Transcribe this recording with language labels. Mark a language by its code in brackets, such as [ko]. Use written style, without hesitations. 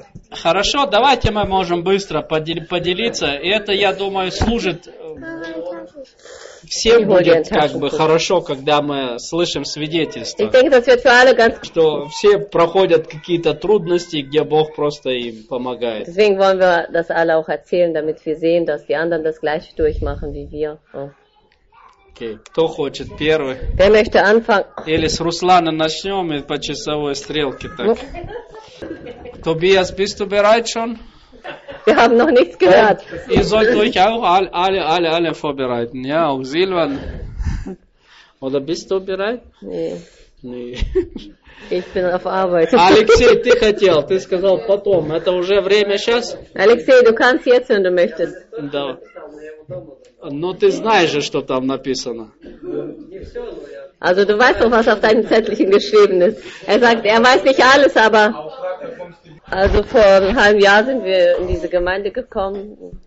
[ru] Хорошо, давайте мы можем быстро поделиться. И это, я думаю, служит всем будет как бы хорошо, когда мы слышим свидетельство. Что все проходят какие-то трудности, где Бог просто им помогает. [de] Deswegen wollen wir das alle auch erzählen, damit wir sehen, dass die anderen das gleiche durchmachen wie wir. [ru] Okay. Кто хочет первый? [de] Wer möchte anfangen? [ru] Или с Руслана начнем и по часовой стрелке так. [de] Tobias, bist du bereit schon? Wir haben noch nichts gehört. Ihr sollt euch auch alle vorbereiten, ja, auch Silvan. Oder bist du bereit? Nee. Ich bin auf Arbeit. [ru] Алексей, ты хотел, ты сказал потом. Это уже время сейчас? [de] Алексей, du kannst jetzt, wenn du möchtest. [ru] Да. Ну ты знаешь же, что там написано. [de] Also du weißt doch, was auf deinem Zettelchen geschrieben ist. Sagt, weiß nicht alles, aber... Also vor einem halben Jahr sind wir in diese Gemeinde gekommen.